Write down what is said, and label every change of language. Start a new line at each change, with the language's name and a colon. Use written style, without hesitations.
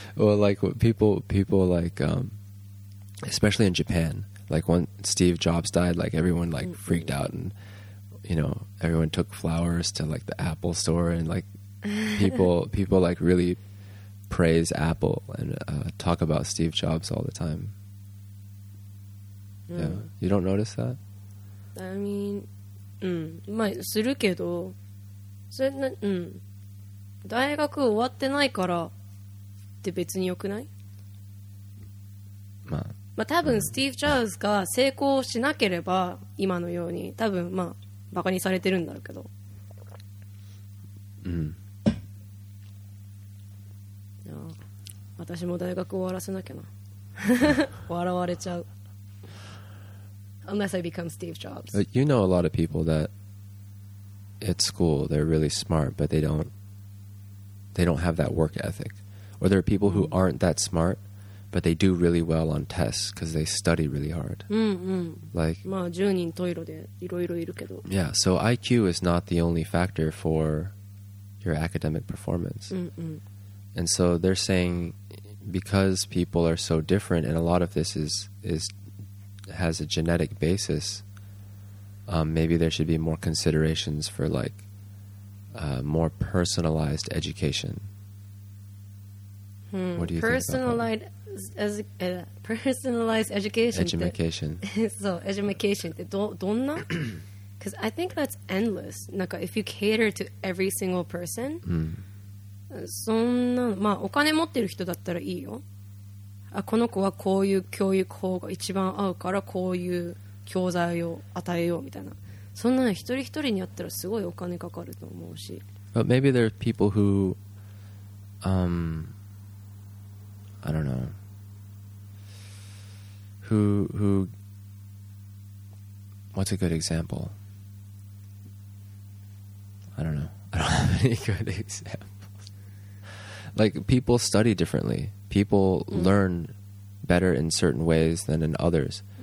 English: Well, like people like especially in Japan, like when Steve Jobs died, like everyone like freaked out and you know, everyone took flowers to like the Apple store and like people like really praise Apple and talk about Steve Jobs all the time. Yeah. You don't notice that? I mean,
Japanese: まあするけど、それな、大学終わってないからって別によくない？まあ、まあ多分スティーブ・ジョブズが成功しなければ今のように多分まあバカにされてるんだろうけど。うん。いや、私も大学終わらせなきゃな。笑われちゃう。
English: Unless I become Steve Jobs. You know a lot of people that at school they're really smart, but they don't have that work ethic. Or there are people who aren't that smart, but they do really well on tests because they study really hard. Like,
Japanese: まあ10人十色でいろいろいるけど。
English: Yeah, so IQ is not the only factor for your academic performance. And so they're saying because people are so different, and a lot of this is. Has a genetic basis, maybe there should be more considerations for like more personalized education. What do you personalized education? So education,
Japanese: どんな?
English: Because I think that's endless.
Japanese: なんか
English: if you cater to every single person,
Japanese: そんなまあお金持ってる人だったらいいよ。あこの子はこういう教育法が一番合うからこういう教材を与えようみたいなそんなの一人一人にやったらすごいお金かかると思うし
English: But maybe there are people who I don't know who what's a good example I don't have any good examples like people study differently people learnbetter in certain ways than in others.